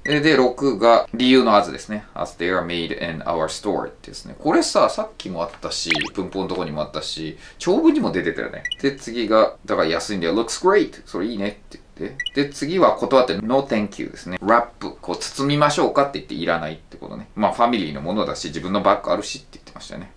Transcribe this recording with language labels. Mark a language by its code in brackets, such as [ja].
[ja] で、6が理由の as ですね。 [en] As they are made in our store [ja] ですね。これさ、さっきもあったし、文法のとこにもあったし、長文にも出てたよね。で、次がだから安いんだよ、 looks great、 それいいねって。で、次は断って [en] No thank you [ja] ですね。ラップ、こう包みましょうかって言っていらないってことね。まあファミリーのものだし、自分のバッグあるしって言ってましたよね。